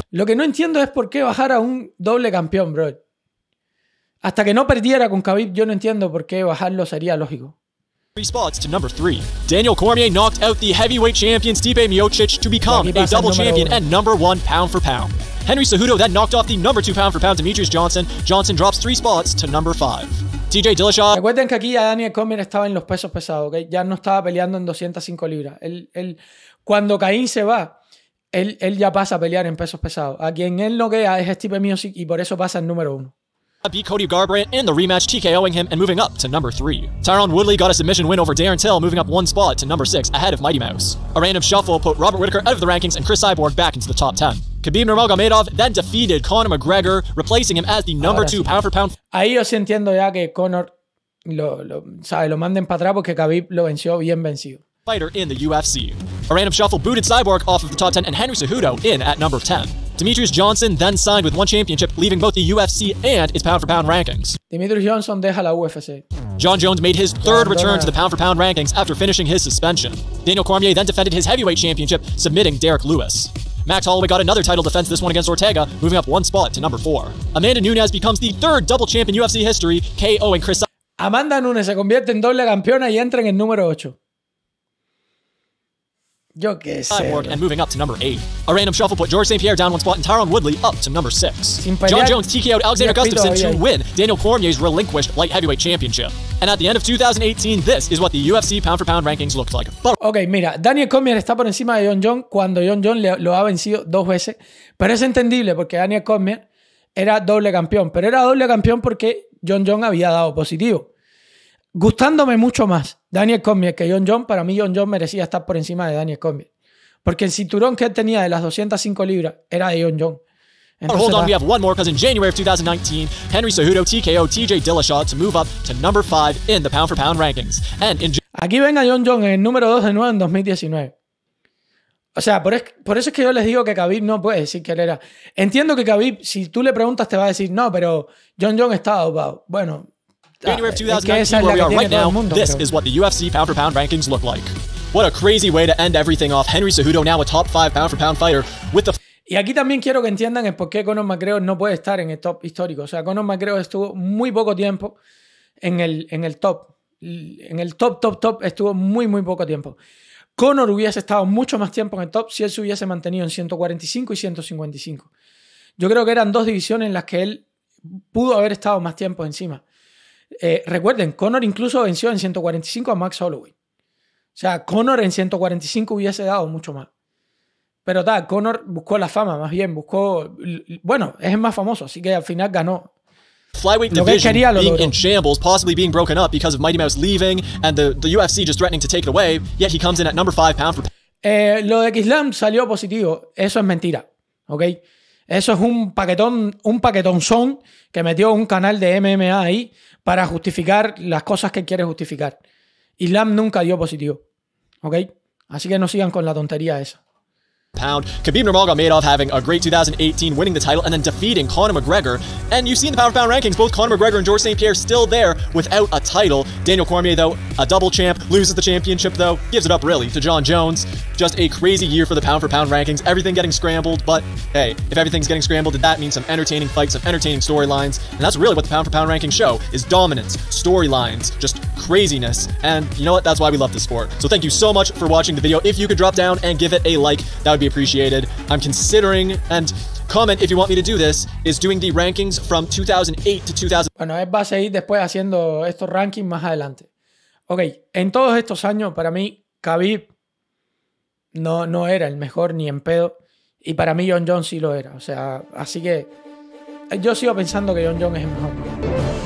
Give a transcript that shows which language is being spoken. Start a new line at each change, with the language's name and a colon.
Spanish: Lo que no entiendo es por qué bajar a un doble campeón, bro. Hasta que no perdiera con Khabib, yo no entiendo por qué bajarlo sería lógico.
English: 3 spots to number 3. Daniel Cormier knocked out the heavyweight champion Stipe Miocic to become a double champion and number 1 pound for pound. Henry Cejudo then knocked off the number 2 pound for pound Demetrius Johnson. Johnson drops 3 spots to number 5. TJ Dillashaw.
Spanish: Recuerden que aquí ya Daniel Cormier estaba en los pesos pesados, ¿okay? Ya no estaba peleando en 205 libras. Él, cuando Caín se va, él ya pasa a pelear en pesos pesados. A quien él no queda es Stipe Miocic y por eso pasa el número 1.
English: beat Cody Garbrandt in the rematch, TKOing him and moving up to number 3. Tyron Woodley got a submission win over Darren Till, moving up one spot to number 6 ahead of Mighty Mouse. A random shuffle put Robert Whittaker out of the rankings and Chris Cyborg back into the top 10. Khabib Nurmagomedov then defeated Conor McGregor, replacing him as the number 2 pound for pound.
Spanish: Ahí yo sí entiendo ya que Conor lo manden para atrás porque Khabib lo venció bien vencido.
English: Fighter in the UFC. A random shuffle booted Cyborg off of the top 10 and Henry Cejudo in at number 10. Demetrius Johnson then signed with one championship, leaving both the UFC and its pound-for-pound rankings.
Spanish: Demetrius Johnson deja la UFC.
English: John Jones made his third return to the pound-for-pound rankings after finishing his suspension. Daniel Cormier then defended his heavyweight championship, submitting Derek Lewis. Max Holloway got another title defense, this one against Ortega, moving up one spot to number 4. Amanda Nunes becomes the third double champ in UFC history, KOing Chris...
Spanish: Amanda Nunes se convierte en doble campeona y entra en el número 8. Yo qué sé.
English: And moving up to number 8. A random shuffle put George St. Pierre down one spot and Tyron Woodley up to number 6. John Jones TKO'd Alexander Gustafsson to win Daniel Cormier's relinquished light heavyweight championship. And at the end of 2018, this is what the UFC pound for pound rankings looked like. But okay,
Spanish: mira, Daniel Cormier está por encima de John Jones cuando John Jones lo ha vencido dos veces. Pero es entendible porque Daniel Cormier era doble campeón. Pero era doble campeón porque John Jones había dado positivo. Gustándome mucho más Daniel Cormier que John Jones, para mí John Jones merecía estar por encima de Daniel Cormier. Porque el cinturón que él tenía de las 205 libras era de John Jones. Entonces,
English: hold on, we have one more, because in January of 2019, Henry Cejudo TKO TJ Dillashaw to move up to number 5 in the pound for pound rankings. And in...
Spanish: Aquí venga John Jones en el número 2 de nuevo en 2019. O sea, por eso es que yo les digo que Khabib no puede decir que él era. Entiendo que Khabib, si tú le preguntas, te va a decir, no, pero John Jones estaba dopado. Bueno.
English: January of 2019, where we are right now, this is what the UFC pound for pound rankings look like. What a crazy way to end everything off. Henry Cejudo now a top 5 pound for pound fighter with the...
Spanish: Y aquí también quiero que entiendan el por qué Conor McGregor no puede estar en el top histórico. O sea, Conor McGregor estuvo muy poco tiempo en el top, estuvo muy, muy poco tiempo. Conor hubiese estado mucho más tiempo en el top si él se hubiese mantenido en 145 y 155. Yo creo que eran dos divisiones en las que él pudo haber estado más tiempo encima. Recuerden, Conor incluso venció en 145 a Max Holloway. O sea, Conor en 145 hubiese dado mucho más. Pero tal, Conor buscó la fama, más bien buscó... Bueno, es el más famoso, así que al final ganó.
English: Flyweight division
Spanish: lo que quería, lo
English: being
Spanish: logró.
English: In shambles, possibly being broken up because of Mighty Mouse leaving and the UFC just threatening to take it away, yet he comes in at number 5 pound for...
Spanish: Lo de Islam salió positivo, eso es mentira, ¿ok? Eso es un paquetón que metió un canal de MMA ahí para justificar las cosas que quiere justificar. Islam nunca dio positivo, ¿ok? Así que no sigan con la tontería esa.
English: Pound. Khabib Nurmagomedov having a great 2018, winning the title and then defeating Conor McGregor. And you've seen the pound-for-pound rankings, both Conor McGregor and George St. Pierre still there without a title. Daniel Cormier, though, a double champ, loses the championship, though, gives it up, really, to John Jones. Just a crazy year for the pound-for-pound rankings, everything getting scrambled, but hey, if everything's getting scrambled, did that mean some entertaining fights, some entertaining storylines? And that's really what the pound-for-pound rankings show, is dominance, storylines, just craziness. And you know what? That's why we love this sport. So thank you so much for watching the video. If you could drop down and give it a like, that would be appreciated. I'm considering, and comment if you want me to do this, is doing the rankings from 2008 to 2000.
Spanish: Bueno, él va a seguir después haciendo estos rankings más adelante. Ok, en todos estos años, para mí, Khabib no era el mejor ni en pedo, y para mí John Jones sí lo era. O sea, así que yo sigo pensando que John Jones es el mejor.